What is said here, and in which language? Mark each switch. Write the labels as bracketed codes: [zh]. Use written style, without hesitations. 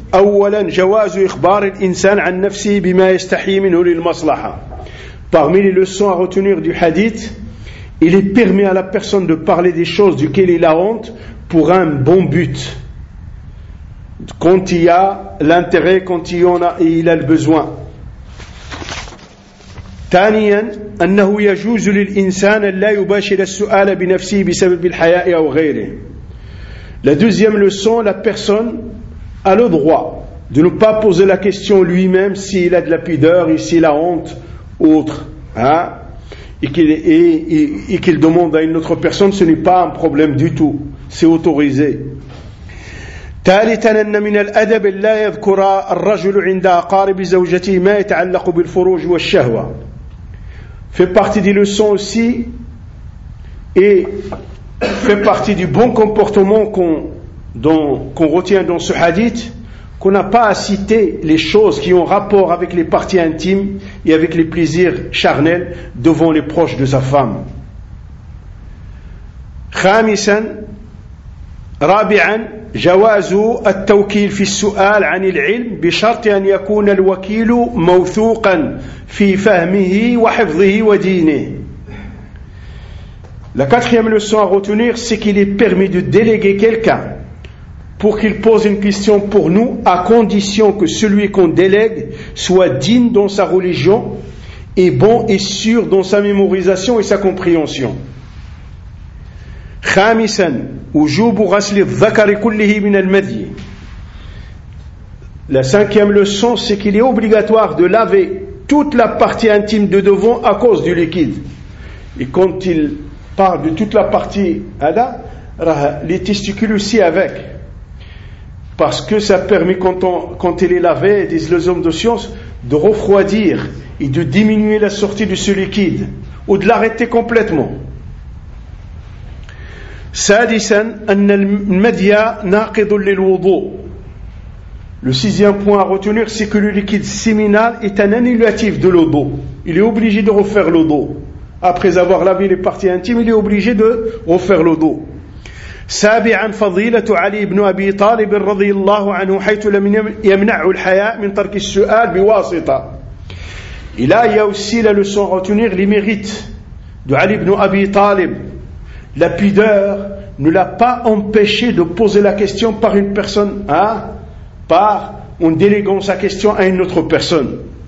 [ar] أولا جواز إخبار الإنسان عن نفسه بما يستحي منه للمصلحة. [fr] Parmi les leçons à retenir du hadith, il est permis à la personne de parler des choses duquel il a honte pour un bon but. Quand il y a l'intérêt, quand il y en a et il a le besoin. [ar] ثانيا أنه يجوز للإنسان لا يباشر السؤال بنفسه بسبب الحياء أو غيره. [fr] La deuxième leçon, la personne a le droit de ne pas poser la question lui-même s'il a de la pudeur et s'il a honte ou autre. Hein? Et qu'il demande à une autre personne, ce n'est pas un problème du tout. C'est autorisé. [ar] ثالثا أن من الأدب لا يذكر الرجل عند أقارب زوجته ما يتعلق بالفروج والشهوة. [fr] Fait partie des leçons aussi et fait partie du bon comportement qu'on retient dans ce hadith, qu'on n'a pas à citer les choses qui ont rapport avec les parties intimes et avec les plaisirs charnels devant les proches de sa femme. [ar] خامسا رابعا جواز التوكيل في السؤال عن العلم بشرط أن يكون الوكيل موثوقا في فهمه وحفظه ودينه. [fr] La quatrième leçon à retenir, c'est qu'il est permis de déléguer quelqu'un pour qu'il pose une question pour nous, à condition que celui qu'on délègue soit digne dans sa religion et bon et sûr dans sa mémorisation et sa compréhension. [ar] خامسا وجوب غسل الذكر كله من المذي. [fr] La cinquième leçon, c'est qu'il est obligatoire de laver toute la partie intime de devant à cause du liquide. Et quand il parle de toute la partie ada, les testicules aussi avec. Parce que ça permet, quand il est lavé, disent les hommes de science, de refroidir et de diminuer la sortie de ce liquide, ou de l'arrêter complètement. [ar] سادسا أن المذي ناقض للوضوء. [fr] Le sixième point à retenir, c'est que le liquide séminal est un annulatif de l'eau d'eau. Il est obligé de refaire l'eau d'eau. Après avoir lavé les parties intimes, il est obligé de refaire l'eau d'eau. [ar] سابعا فضيلة علي بن أبي طالب رضي الله عنه حيث لم يمنع الحياء من ترك السؤال بواسطة. [fr] Et là, il y a aussi la leçon à retenir, les mérites de Ali ibn Abi Talib. La pudeur ne l'a pas empêché de poser la question par une personne, hein, par en déléguant sa question à une autre personne.